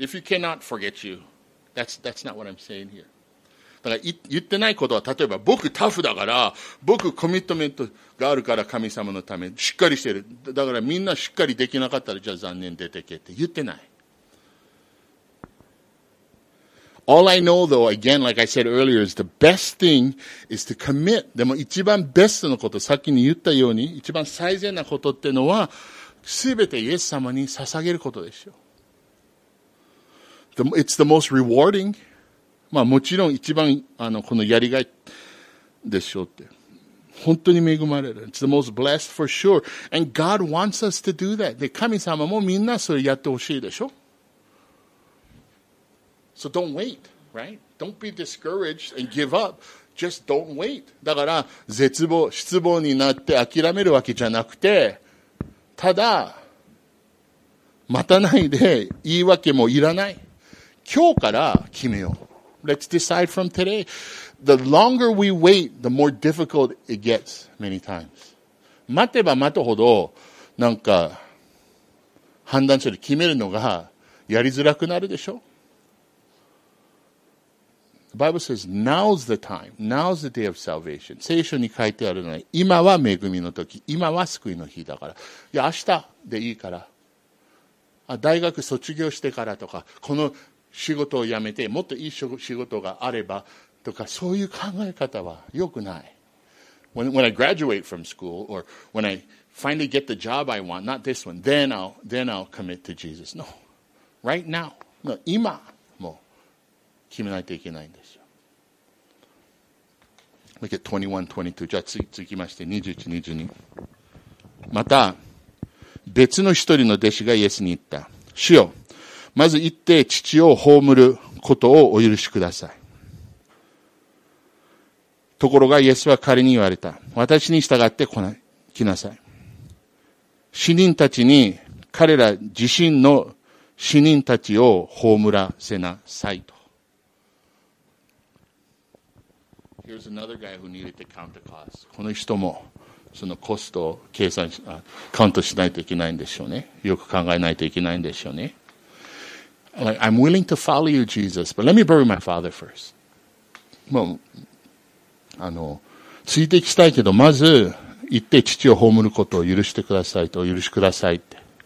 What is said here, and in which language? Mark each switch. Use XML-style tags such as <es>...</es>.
<en>If you cannot, forget you. That's not what I'm saying here.</en> <ja>だから言ってないことは、例えば僕タフだから、僕コミットメントがあるから神様のためにしっかりしてる。だからみんなしっかりできなかったらじゃあ残念出てけって言ってない。</ja> <en>All I know though, again, like I said earlier, is the best thing is to commit.</en> <ja>でも一番ベストのこと、さっきに言ったように、一番最善なことってのは、すべてイエス様に捧げることでしょう。</ja> <en>It's the most rewarding.</en> <ja>まあもちろん一番このやりがいでしょうって。本当に恵まれる。</ja> <en>It's the most blessed for sure. And God wants us to do that.</en> <ja>で、神様もみんなそれやってほしいでしょ。</ja> <en>So don't wait, right? Don't be discouraged and give up. Just don't wait.</en> <ja>だから失望になって諦めるわけじゃなくて、ただ待たないで言い訳もいらない。今日から決めよう。</ja> <en>Let's decide from today. The longer we wait, the more difficult it gets many times.</en> <ja>待てば待つほどなんか判断する決めるのがやりづらくなるでしょ。</ja> <en>The Bible says, now's the time. Now's the day of salvation.</en> <ja>聖書に書いてあるのは、今は恵みの時、今は救いの日だから。いや、明日でいいから。大学卒業してからとか、この仕事を辞めて、もっといい仕事があればとか、そういう考え方は良くない。</ja> <en>When I graduate from school, or when I finally get the job I want, not this one, then I'll commit to Jesus. No. Right now. No,</en> <ja>今。決めないといけないんですよ。</ja> <en>Look at 21, 22.</en> <ja>じゃあ続きまして21、22。また、別の一人の弟子がイエスに言った。主よ、まず行って父を葬ることをお許しください。ところがイエスは彼に言われた。私に従って来なさい。死人たちに彼ら自身の死人たちを葬らせなさいと。</ja> <en>Here's another guy who needed to count the cost.</en> <ja>この人もそのコストを計算し、カウントしないといけないんでしょうね。よく考えないといけないんでしょうね。</ja> <en>Like, I'm willing to follow you, Jesus, but let me bury my father first.</en> <ja>もう、ついていきたいけど、まず行って父を葬ることを許してくださいと、許しくださいって。</ja>